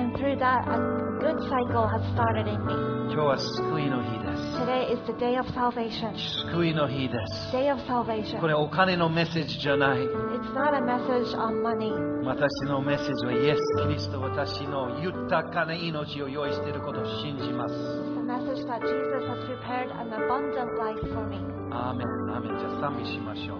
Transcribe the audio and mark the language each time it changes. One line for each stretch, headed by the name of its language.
English: And through that, a good cycle has started in me.
Japanese: 今日は救いの日です。
English: Today is the day of salvation.
Japanese: 救いの日です。
English: Day of salvation.
Japanese: これお金のメッセージじゃない。
English: It's not a message on money.
Japanese: 私のメッセージはイエス・キリスト、私の豊かな命を用意していることを信じます。
English: It's a message that Jesus has prepared an abundant life for me.
Japanese: アーメン、アーメン。じゃあ賛美しましょう。